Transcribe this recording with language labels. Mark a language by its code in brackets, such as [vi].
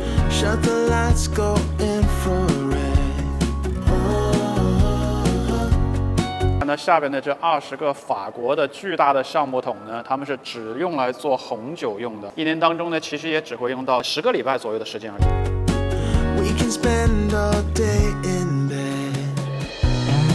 [en] Shut the lights, go infrared. [zh] 看到下边的这20个法国的巨大的橡木桶呢，他们是只用来做红酒用的。一年当中呢，其实也只会用到10个礼拜左右的时间而已。 [en] We can spend all day in bed.